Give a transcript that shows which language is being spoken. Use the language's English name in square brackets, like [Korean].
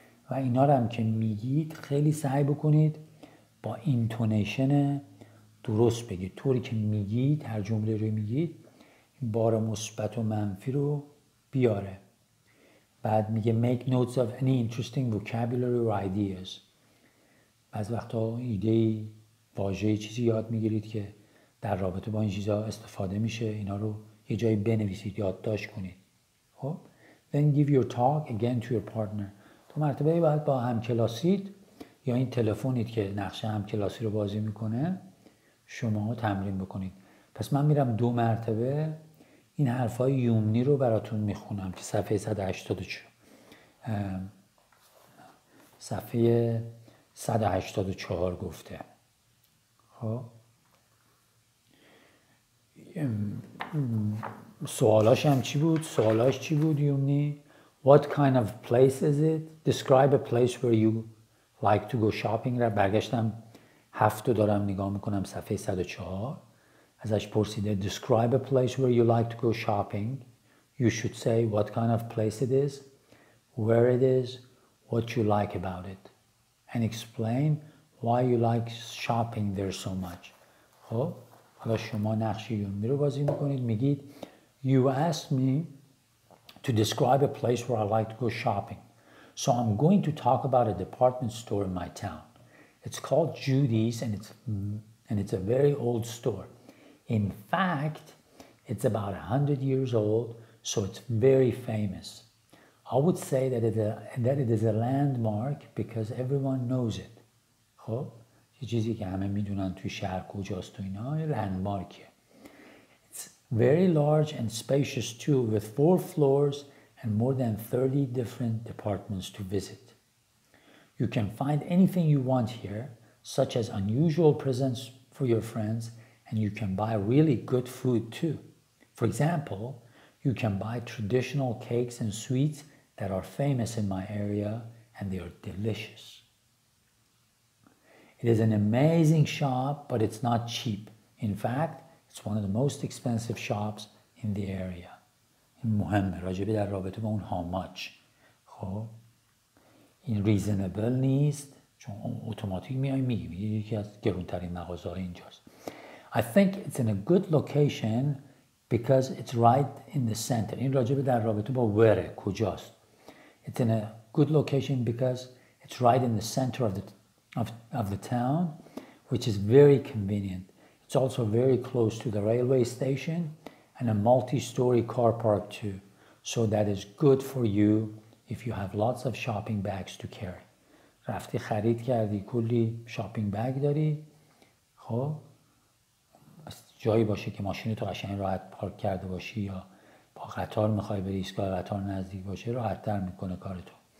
[Persian] و اینا رو هم که میگید خیلی سعی بکنید با اینتونیشن درست بگید، طوری که میگید هر جمله رو میگید بار مثبت و منفی رو بیاره. بعد میگه [English] make notes of any interesting vocabulary or ideas. [Persian] بعض وقتا ایده ای واژه چیزی یاد میگیرید که در رابطه با این چیزا استفاده میشه، اینا رو یه جایی بنویسید، یادداشت کنید. [English] خب then give your talk again to your partner. [Persian] تو مرتبه بعد با همکلاسیت یا این تلفنیت که نقشه همکلاسی رو بازی میکنه شما تمرین بکنید. پس من میرم دو مرتبه این حرفای یومنی رو براتون میخونم که صفحه 184، صفحه 184 گفته. خب سوالاش هم چی بود؟ سوالاش چی بود یومنی؟ [English] What kind of place is it? Describe a place where you like to go shopping. [Persian] برگشتم هفت رو دارم نگاه میکنم صفحه 104. ازش پرسیده [English] Describe a place where you like to go shopping. You should say what kind of place it is, where it is, what you like about it. And explain why you like shopping there so much. [Persian] خب؟ حالا شما نقش یومی رو بازی میکنید، میگید [English] You asked me to describe a place where I like to go shopping. So I'm going to talk about a department store in my town. It's called Judy's and it's a very old store. In fact, it's about 100 years old, so it's very famous. I would say that it is a landmark because everyone knows it. [Persian] خب؟ یه چیزی که همه میدونن توی شهر کجاست و اینا، یه لندمارکه. [English] It's very large and spacious too with 4 floors and more than 30 different departments to visit. You can find anything you want here, such as unusual presents for your friends, and you can buy really good food too. For example, you can buy traditional cakes and sweets that are famous in my area and they are delicious. It is an amazing shop, but it's not cheap. In fact, it's one of the most expensive shops in the area. [Persian] این مهمه، راجبی در رابطه با اون [English] how much. [Persian] خب این reasonable نیست، چون اوتوماتیک میای میگی یکی از گرونترین مغازه‌های اینجاست. [English] I think it's in a good location because it's right in the center. [Persian] این راجبی در رابطه با where، کجاست. [English] It's in a good location because it's right in the center of the town, which is very convenient. It's also very close to the railway station and a multi-story car park too. So that is good for you if you have lots of shopping bags to carry. [Persian] رفتی خرید کردی کلی شاپینگ بگ داری؟ خب جایی باشه که ماشین تو قشنگ راحت پارک کرده باشی یا با قطار میخوای بری ایستگاه قطار نزدیک باشه راحت تر میکنه کارتو.